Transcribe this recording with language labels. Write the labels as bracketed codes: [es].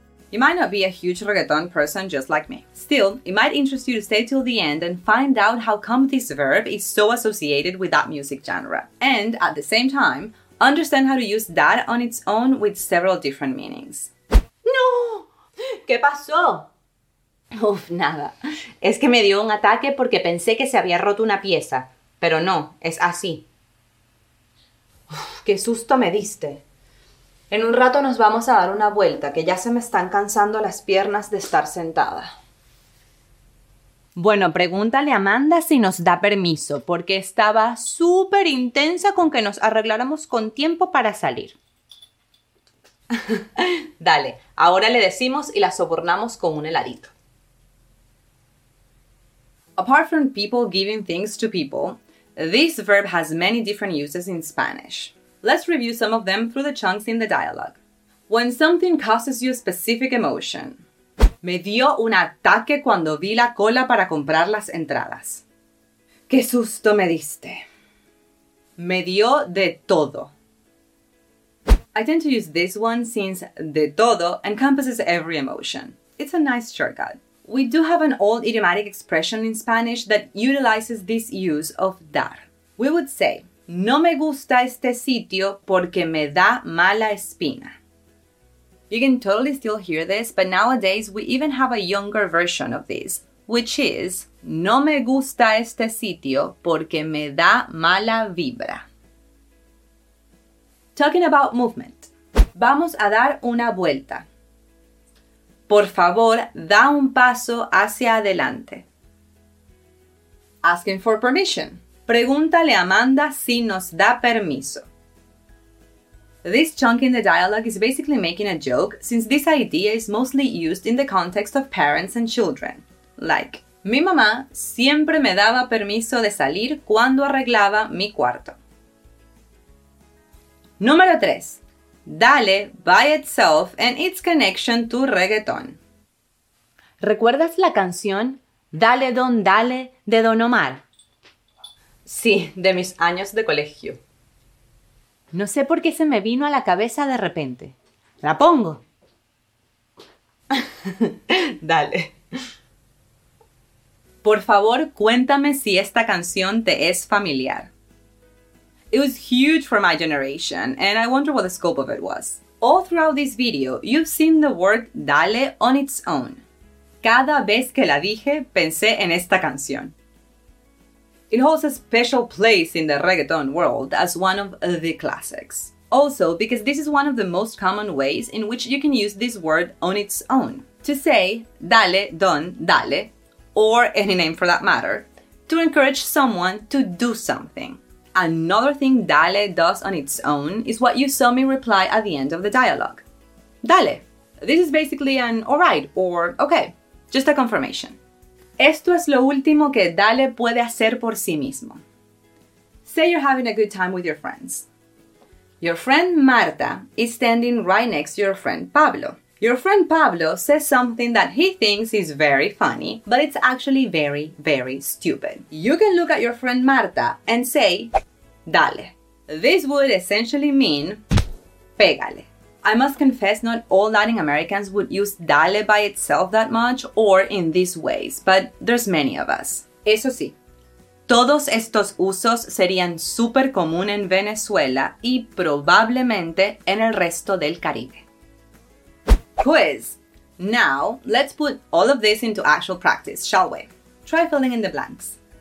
[en] You might not be a huge reggaeton person just like me. Still, it might interest you to stay till the end and find out how come this verb is so associated with that music genre. And, at the same time, understand how to use dar on its own with several different meanings. [es] No! ¿Qué pasó? Uf, nada. Es que me dio un ataque porque pensé que se había roto una pieza. Pero no, es así. Uf, qué susto me diste. En un rato nos vamos a dar una vuelta, que ya se me están cansando las piernas de estar sentada. Bueno, pregúntale a Amanda si nos da permiso, porque estaba súper intensa con que nos arregláramos con tiempo para salir. Dale, ahora le decimos y la sobornamos con un heladito. [en] Apart from people giving things to people, this verb has many different uses in Spanish. Let's review some of them through the chunks in the dialogue. When something causes you a specific emotion. [es] Me dio un ataque cuando vi la cola para comprar las entradas. ¡Qué susto me diste! Me dio de todo. [en] I tend to use this one since [es] de todo [en] encompasses every emotion. It's a nice shortcut. We do have an old idiomatic expression in Spanish that utilizes this use of dar. We would say, [es] No me gusta este sitio porque me da mala espina. [en] You can totally still hear this, but nowadays we even have a younger version of this, which is, [es] no me gusta este sitio porque me da mala vibra. [en] Talking about movement, [es] vamos a dar una vuelta. Por favor, da un paso hacia adelante. [en] Asking for permission. [es] Pregúntale a Amanda si nos da permiso. [en] This chunk in the dialogue is basically making a joke, since this idea is mostly used in the context of parents and children. [es] Like, mi mamá siempre me daba permiso de salir cuando arreglaba mi cuarto. Número 3. [en] Dale by itself and its connection to reggaeton. [es] ¿Recuerdas la canción Dale Don Dale de Don Omar? Sí, de mis años de colegio. No sé por qué se me vino a la cabeza de repente. ¡La pongo! Dale. Por favor, cuéntame si esta canción te es familiar. [en] It was huge for my generation, and I wonder what the scope of it was. All throughout this video, you've seen the word dale on its own. [es] Cada vez que la dije, pensé en esta canción. [en] It holds a special place in the reggaeton world as one of the classics. Also, because this is one of the most common ways in which you can use this word on its own. To say, [es] dale, don, dale, [en] or any name for that matter, to encourage someone to do something. Another thing dale does on its own is what you saw me reply at the end of the dialogue. Dale. This is basically an alright or okay, just a confirmation. [es] Esto es lo último que Dale puede hacer por sí mismo. [en] Say you're having a good time with your friends. Your friend Marta is standing right next to your friend Pablo. Your friend Pablo says something that he thinks is very funny, but it's actually very, very stupid. You can look at your friend Marta and say, Dale. This would essentially mean, Pégale. I must confess, not all Latin Americans would use dale by itself that much or in these ways, but there's many of us. [es] Eso sí, todos estos usos serían súper común en Venezuela y probablemente en el resto del Caribe. [en] Quiz! Now, let's put all of this into actual practice, shall we? Try filling in the blanks.